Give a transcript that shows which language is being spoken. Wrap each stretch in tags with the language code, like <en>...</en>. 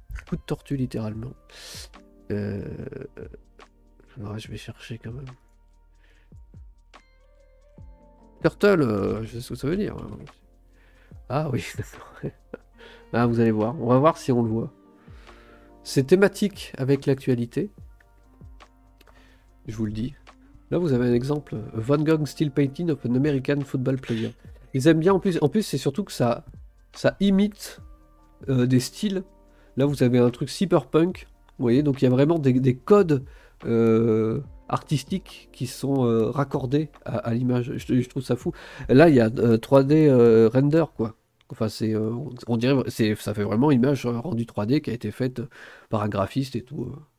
<fr>Coup de tortue littéralement. Ouais, je vais chercher quand même. Turtle, je sais ce que ça veut dire. Ah oui. Ah, vous allez voir. On va voir si on le voit. C'est thématique avec l'actualité. Je vous le dis. Là, vous avez un exemple.</fr> <en>Van Gogh still painting of an American football player.</en> <fr>Ils aiment bien. En plus, c'est surtout que ça imite des styles. Là, vous avez un truc cyberpunk, vous voyez, donc il y a vraiment des codes artistiques qui sont raccordés à l'image. Je trouve ça fou. Là, il y a 3D render, quoi. Enfin, on dirait, ça fait vraiment image rendue 3D qui a été faite par un graphiste et tout.</fr>